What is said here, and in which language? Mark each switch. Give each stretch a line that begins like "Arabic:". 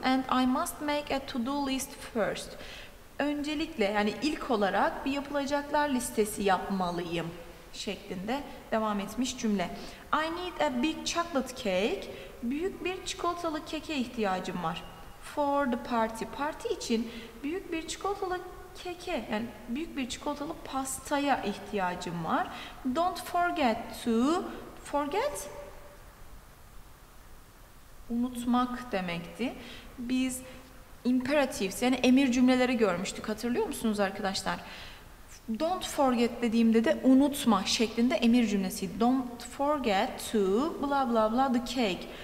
English: And I must make a to-do list first.
Turkish: Öncelikle, yani ilk olarak bir yapılacaklar listesi yapmalıyım şeklinde devam etmiş cümle.
English: I need a big chocolate cake.
Turkish: Büyük bir çikolatalı keke ihtiyacım var.
English: For the party.
Turkish: Parti için büyük bir çikolatalı keke, yani büyük bir çikolatalı pastaya ihtiyacım var.
English: Don't forget to... Forget,
Turkish: unutmak demekti. Biz imperatives, yani emir cümleleri görmüştük, hatırlıyor musunuz arkadaşlar?
English: Don't forget
Turkish: dediğimde de unutma şeklinde emir cümlesiydi.
English: Don't forget to blah blah blah the cake.